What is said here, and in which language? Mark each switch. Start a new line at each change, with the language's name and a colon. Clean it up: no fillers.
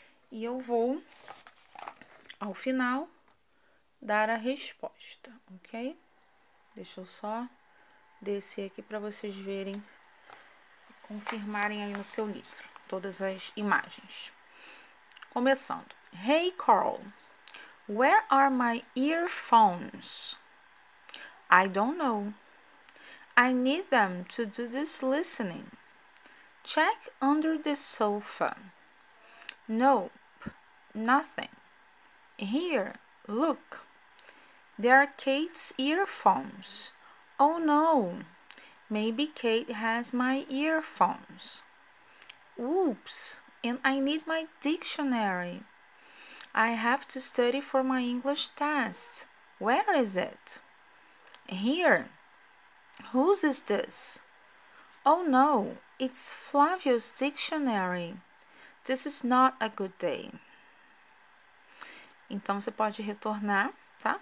Portuguese: E eu vou, ao final, dar a resposta, ok? Deixa eu só descer aqui para vocês verem, confirmarem aí no seu livro todas as imagens. Começando.
English: Hey Carl, where are my earphones? I don't know. I need them to do this listening. Check under the sofa. Nope, nothing. Here, look. There are Kate's earphones. Oh no, maybe Kate has my earphones. Oops, and I need my dictionary. I have to study for my English test. Where is it? Here. Whose is this? Oh no, it's Flavio's dictionary. This is not a good day.
Portuguese: Então você pode retornar, tá?